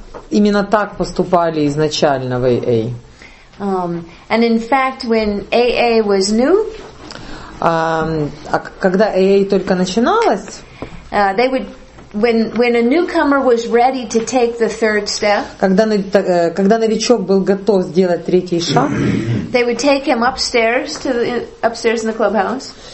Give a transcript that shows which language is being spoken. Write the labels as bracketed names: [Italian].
[Russian] Именно так поступали изначально в AA. [English] And in fact, when AA was new. [Russian] А когда AA только начиналось, [English] they would when a newcomer was ready to take the third step, [Russian] когда новичок был готов сделать третий шаг, [English] they would take him upstairs to the, upstairs in the clubhouse.